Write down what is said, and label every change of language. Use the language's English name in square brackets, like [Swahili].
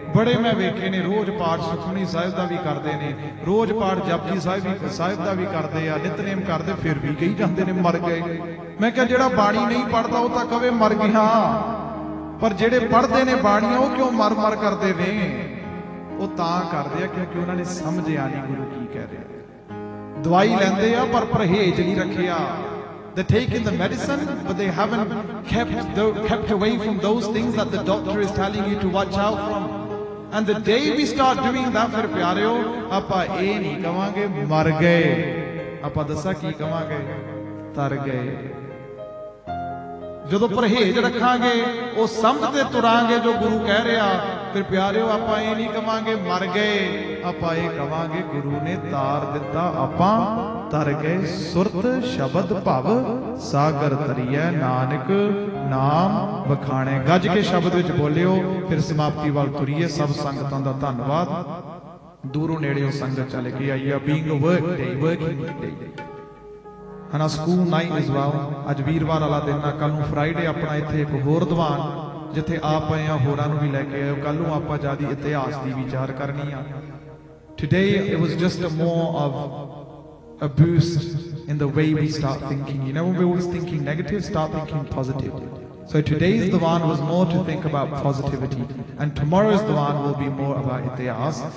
[Punjabi] ਬੜੇ ਮੈਂ ਵੇਖੇ ਨੇ ਰੋਜ਼ ਪਾਠ ਸੁਖਮਨੀ ਸਾਹਿਬ ਦਾ ਵੀ ਕਰਦੇ ਨੇ, ਰੋਜ਼ ਪਾਠ ਜਪਜੀ ਸਾਹਿਬ ਵੀ ਸਾਹਿਬ ਦਾ ਵੀ ਕਰਦੇ ਆ, ਨਿਤਨੇਮ ਕਰਦੇ, ਫਿਰ ਵੀ ਕਹੀ ਜਾਂਦੇ ਨੇ ਮਰ ਗਏ। ਮੈਂ ਕਿਹਾ ਜਿਹੜਾ ਬਾਣੀ ਨਹੀਂ ਪੜ੍ਹਦਾ ਉਹ ਤਾਂ ਕਵੇ ਮਰ ਗਿਆ, ਪਰ ਜਿਹੜੇ ਪੜ੍ਹਦੇ ਨੇ ਬਾਣੀਆਂ ਉਹ ਕਿਉਂ ਮਰ ਮਰ ਕਰਦੇ ਨੇ? ਉਹ ਤਾਂ ਕਰਦੇ ਆ ਕਿਉਂਕਿ ਉਹਨਾਂ ਨੇ ਸਮਝਿਆ ਨਹੀਂ ਗੁਰੂ ਕੀ ਕਹਿ ਰਿਹਾ। ਦਵਾਈ ਲੈਂਦੇ ਆ ਪਰ ਪਰਹੇਜ਼ ਨਹੀਂ ਰੱਖਿਆ। [English] They take in the medicine, but they haven't kept away from those things that the doctor is telling you to watch out from. And the day we start doing that, [Punjabi] fir pyareo, apa eh nahi kahange mar gaye, apa dassa ki kahange tar gaye. Jadon parhej rakhange, oh samjhde turange jo guru keh reha, fir pyareo apa eh nahi kahange mar gaye, apa eh kahange guru ne tar ditta apa ਤਰ ਗਏ। ਸੁਰਤ ਸ਼ਬਦ ਭਵ ਸਾਗਰ ਤਰੀਏ ਨਾਨਕ ਨਾਮ ਵਖਾਣੇ। ਗੱਜ ਕੇ ਸ਼ਬਦ ਵਿੱਚ ਬੋਲਿਓ ਫਿਰ ਸਮਾਪਤੀ ਵੱਲ ਤੁਰੀਏ। ਸਭ ਸੰਗਤਾਂ ਦਾ ਧੰਨਵਾਦ, ਦੂਰੋਂ ਨੇੜਿਓਂ ਸੰਗਤ ਚੱਲ ਕੇ ਆਈ ਆ। ਬੀਂਗ ਹਨਾ ਸਕੂਲ ਨਾਈ ਜਵਾਬ, ਅੱਜ ਵੀਰਵਾਰ ਵਾਲਾ ਦਿਨ ਆ, ਕੱਲ੍ਹ ਨੂੰ ਫਰਾਈਡੇ ਆਪਣਾ ਇੱਥੇ ਇੱਕ ਹੋਰ ਦੀਵਾਨ ਜਿੱਥੇ ਆਪ ਆਏ ਹਾਂ, ਹੋਰਾਂ ਨੂੰ ਵੀ ਲੈ ਕੇ ਆਇਓ। ਕੱਲ੍ਹ ਨੂੰ ਆਪਾਂ ਜ਼ਿਆਦਾ ਇਤਿਹਾਸ ਦੀ ਵਿਚਾਰ ਕਰਨੀ ਆ। [English] Today it was just more of a boost in the way we start thinking. You know, when we're always thinking negative, start thinking positive. So today's Diwan was more to think about positivity, and tomorrow's Diwan will be more about itihas.